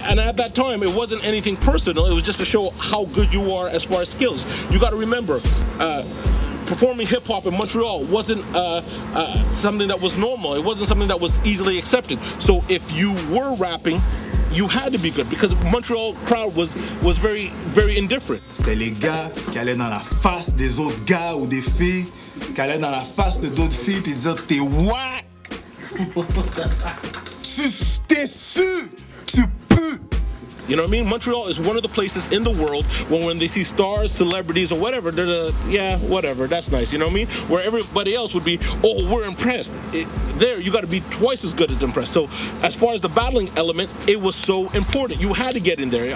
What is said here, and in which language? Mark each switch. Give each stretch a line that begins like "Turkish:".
English: And at that time, it wasn't anything personal, it was just to show how good you are as far as skills. You gotta remember, performing hip hop in Montreal wasn't something that was normal. It wasn't something that was easily accepted. So if you were rapping, you had to be good because Montreal crowd was very, very indifferent.
French: C'était les gars qui allaient dans la face des autres gars ou des filles, qui allaient dans la face de d'autres filles puis disaient t'es whack. t'es su.
English: You know what I mean? Montreal is one of the places in the world when they see stars, celebrities, or whatever, whatever, that's nice, you know what I mean? Where everybody else would be, oh, we're impressed. There, you gotta be twice as good as impressed. So as far as the battling element, it was so important. You had to get in there.